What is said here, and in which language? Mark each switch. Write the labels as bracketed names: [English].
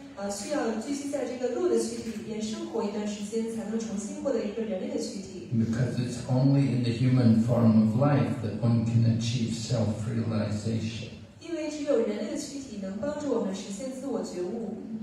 [Chinese] 需要继续在这个鹿的躯体里边生活一段时间，才能重新获得一个人类的躯体。 [English] Because it's only in the human form of life that one can achieve self-realization. [Chinese] 因为只有人类的躯体能帮助我们实现自我觉悟。